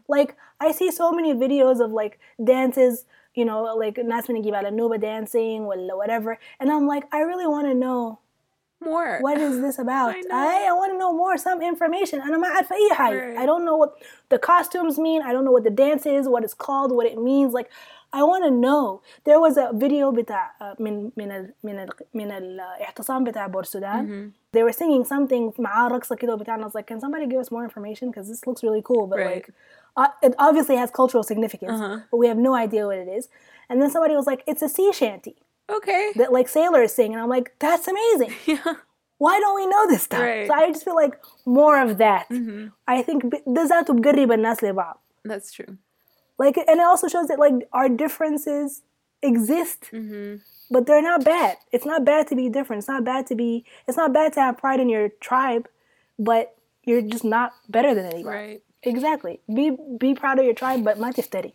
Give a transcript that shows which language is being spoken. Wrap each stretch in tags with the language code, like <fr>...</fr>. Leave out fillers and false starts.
<en>Like, I see so many videos of like dances, you know, like</en> <ar>ناس من يجيب على نوبة</ar> <en>dancing</en> <ar>ولا</ar> <en>whatever, and I'm like, I really want to know more. What is this about? I want to know more, some information.</en> <ar>أنا ما عارف أي حاجة.</ar> <en>Right. I don't know what the costumes mean. I don't know what the dance is, what it's called, what it means. Like, I want to know. There was a video</en> <ar>بتاع من الاعتصام بتاع بور السودان.</ar> <en>Mm-hmm. They were singing something</en> <ar>مع رقصة كده بتاع,</ar> <en>and I was like, can somebody give us more information? Because this looks really cool. But right. like, it obviously has cultural significance, uh-huh. but we have no idea what it is. And then somebody was like, it's a sea shanty. Okay. That like sailors sing, and I'm like, that's amazing. Yeah. Why don't we know this stuff? Right. So I just feel like more of that. Mm-hmm. I think</en> <ar>بالذات بقرب الناس لبعض.</ar> <en>That's true. Like, and it also shows that like our differences exist, mm-hmm. but they're not bad. It's not bad to be different. It's not bad to have pride in your tribe, but you're just not better than anybody. Right. Exactly. Be proud of your tribe, but not if steady.</en>